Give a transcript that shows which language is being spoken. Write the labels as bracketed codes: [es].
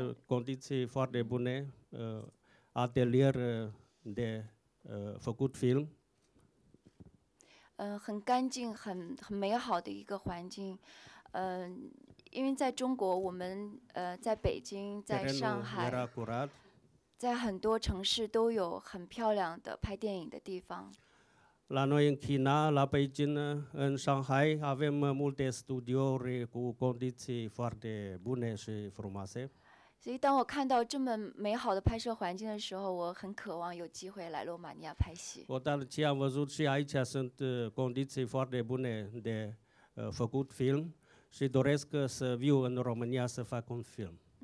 [ro] condiții foarte bune, atelier de făcut film. [zh] 很干净，很美好的一个环境。因为在中国，我们在北京、在上海，在很多城市都有很漂亮的拍电影的地方。 [ro] La noi în China, la Beijing, în Shanghai, avem multe studiouri cu condiții foarte bune și frumoase. [zh] 所以当我看到这么美好的拍摄环境的时候，我很渴望有机会来罗马尼亚拍戏。 [ro] Odată ce am văzut și aici sunt condiții foarte bune de făcut film. Și doresc să viu în România să fac un film.